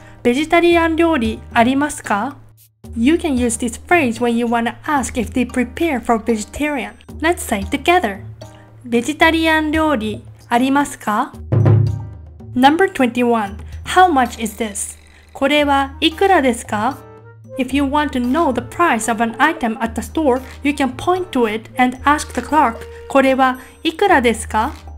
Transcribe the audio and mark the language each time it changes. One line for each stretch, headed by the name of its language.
Japanese: ベジタリアン料理ありますか?
English: You can use this phrase when you want to ask if they prepare for vegetarian. Let's say together.
Japanese: ベジタリアン料理ありますか?
English: Number 21. How much is this?
Japanese: これはいくらですか?
English: If you want to know the price of an item at the store, you can point to it and ask the clerk,
Japanese: これはいくらですか?